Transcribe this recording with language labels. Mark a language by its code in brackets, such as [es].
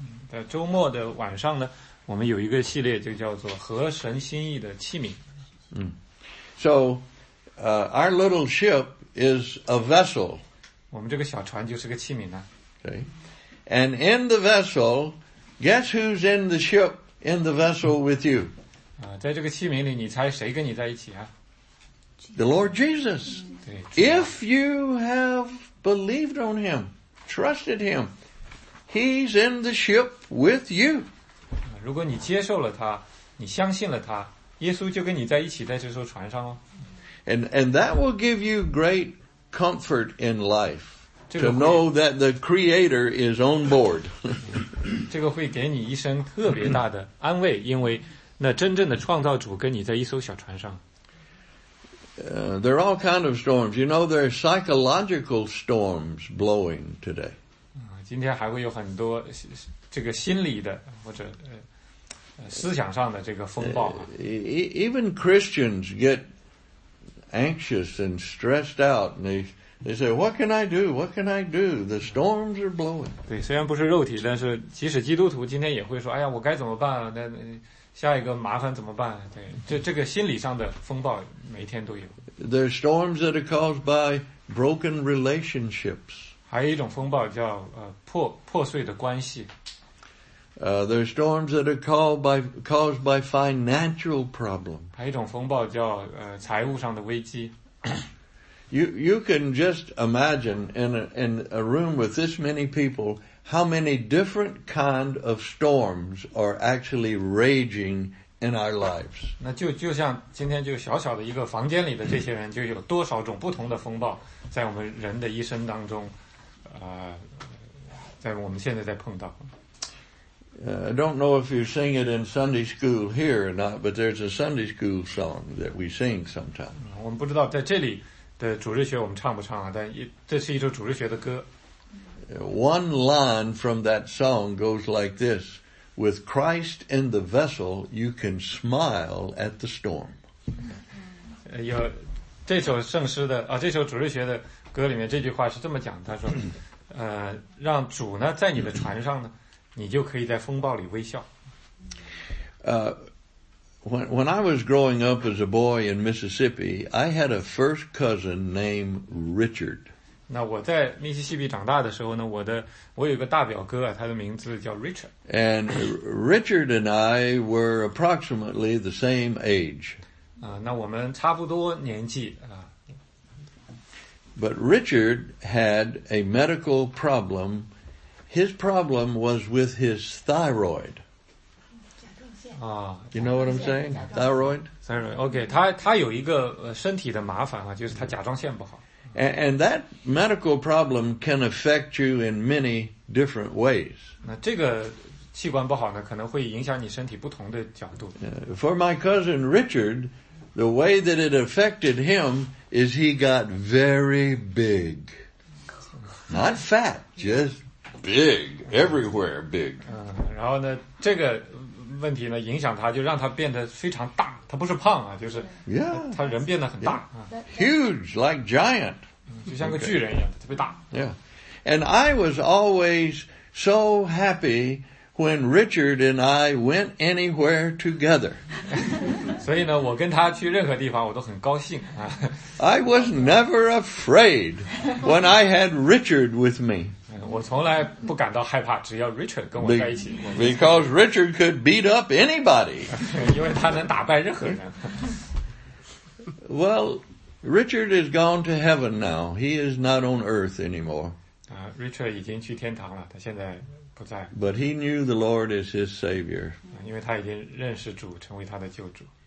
[zh] 在周末的晚上呢，我们有一个系列就叫做《合神心意的器皿》。 [en] So, our little ship is a vessel. [zh] 我们这个小船就是个器皿呢。 [en] Okay. And in the vessel, guess who's in the ship? In the vessel with you. [zh] 在这个器皿里你猜谁跟你在一起啊 [en] The Lord Jesus. If you have believed on him, trusted him, he's in the ship with you. [zh] 如果你接受了他，你相信了他，耶稣就跟你在一起在这艘船上哦。 [en] And that will give you great comfort in life. To know that the Creator is on board. [zh] 这个会给你一生特别大的安慰，因为那真正的创造主跟你在一艘小船上。 [en] There are all kinds of storms. You know, there are psychological storms blowing today. [zh] 今天还会有很多这个心理的或者思想上的这个风暴。 [en] Even Christians get anxious and stressed out, and they say, "What can I do? What can I do? The storms are blowing." [zh] 对，虽然不是肉体，但是即使基督徒今天也会说，哎呀，我该怎么办啊？那下一个麻烦怎么办？对，这个心理上的风暴每天都有。 [en] There are storms that are caused by broken relationships. [zh] 还有一种风暴叫破碎的关系。 [en] There are storms that are caused by financial problems. [zh] 还有一种风暴叫财务上的危机。 [en] You can just imagine in a room with this many people, how many different kind of storms are actually raging in our lives. [zh] 那就像今天就小小的一个房间里的这些人，就有多少种不同的风暴在我们人的一生当中，在我们现在在碰到。 [en] I don't know if you sing it in Sunday school here or not, but there's a Sunday school song that we sing sometimes. [zh] 我们不知道在这里的主日学我们唱不唱啊，但这是一首主日学的歌。 [en] One line from that song goes like this, with Christ in the vessel, you can smile at the storm. [zh] 有这首圣诗的，这首主日学的歌里面这句话是这么讲，他说，让主呢在你的船上呢，你就可以在风暴里微笑。 [en] When I was growing up as a boy in Mississippi, I had a first cousin named Richard. [zh] 那我在密西西比长大的时候呢，我有一个大表哥，他的名字叫 Richard. [en] And Richard and I were approximately the same age. [zh] 那我们差不多年纪啊。 [en] But Richard had a medical problem. His problem was with his thyroid. You know what I'm saying? Thyroid? [zh] Okay, 他有一个身体的麻烦啊，就是他甲状腺不好。 [en] And that medical problem can affect you in many different ways. [zh] 那这个器官不好呢，可能会影响你身体不同的角度。 [en] For my cousin Richard, the way that it affected him is he got very big. Not fat, just big, everywhere big. [zh] 然后呢，这个问题呢，影响他，就让他变得非常大。他不是胖啊，就是 [en] yeah, [zh] 他人变得很大。 [en] Yeah. Huge, like giant. [zh] 就像个巨人一样，特别大。 [en] Yeah. And I was always so happy when Richard and I went anywhere together. [zh] 所以呢，我跟他去任何地方，我都很高兴。 [en] I was never afraid when I had Richard with me. [zh] 我从来不感到害怕，只要 Richard 跟我在一起。 [en] Because Richard could beat up anybody. [zh] 因为他能打败任何人。 [en] Well, Richard is gone to heaven now. He is not on earth anymore. [zh] Richard 已经去天堂了，他现在不在。 [en] But he knew the Lord is his Savior. [zh] 因为他已经认识主，成为他的救主。